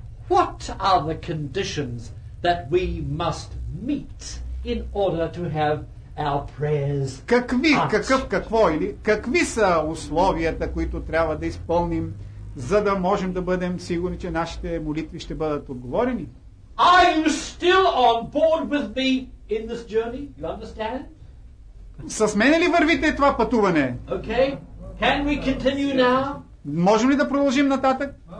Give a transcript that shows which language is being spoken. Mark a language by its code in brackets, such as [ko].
[en] What are the conditions that we must meet in order to have our prayers? [bg] Какви, какъв, какво или какви са условията, които трябва да изпълним, за да можем да бъдем сигурни, че нашите молитви ще бъдат отговорени? [en] Are you still on board with me in this journey? You understand? [bg] С мен ли вървите това пътуване? [en] Okay. Can we continue now? [bg] Можем ли да продължим нататък?